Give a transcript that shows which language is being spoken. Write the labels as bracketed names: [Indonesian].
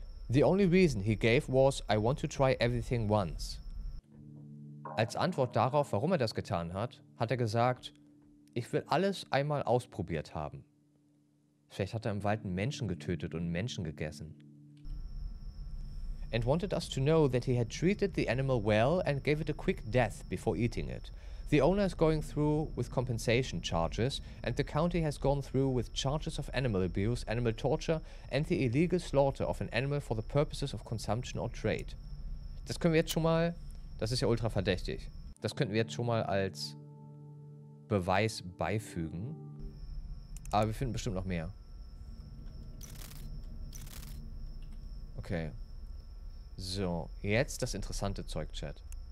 [English] The only reason he gave was, I want to try everything once. [German] Als Antwort darauf, warum er das getan hat, hat er gesagt, ich will alles einmal ausprobiert haben. Vielleicht hat er im Wald einen Menschen getötet und Menschen gegessen. [English] And wanted us to know that he had treated the animal well and gave it a quick death before eating it. The owner is going through with compensation charges and the county has gone through with charges of animal abuse, animal torture and the illegal slaughter of an animal for the purposes of consumption or trade. [German] Das können wir jetzt schon mal, das ist ja ultra verdächtig, das könnten wir jetzt schon mal als Beweis beifügen. Aber wir finden bestimmt noch mehr. Okay. So, jetzt das interessante Zeug, Chat.